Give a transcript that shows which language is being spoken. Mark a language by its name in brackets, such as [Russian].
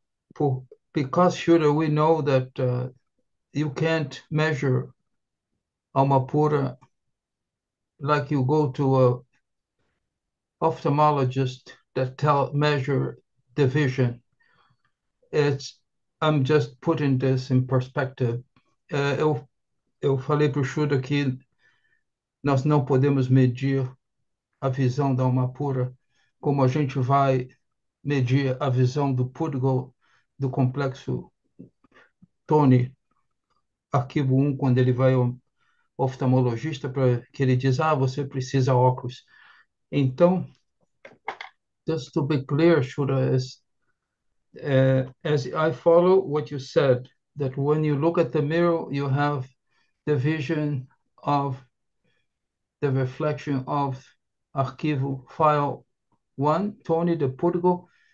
[English] Because, Shura, we know that you can't measure Amapura like you go to a ophthalmologist that tell measure the vision. I'm just putting this in perspective. [Portuguese] Eu falei para o Shura que nós não podemos medir a visão da Amapura como a gente vai medir a visão do Pudgal, do complexo Tony, arquivo 1, quando ele vai ao oftalmologista, para que ele diz: ah, você precisa óculos. Então, [English] just to be clear, Shura, as I follow what you said, that when you look at the mirror, you have the vision of the reflection of arquivo file 1, Tony de Portugal.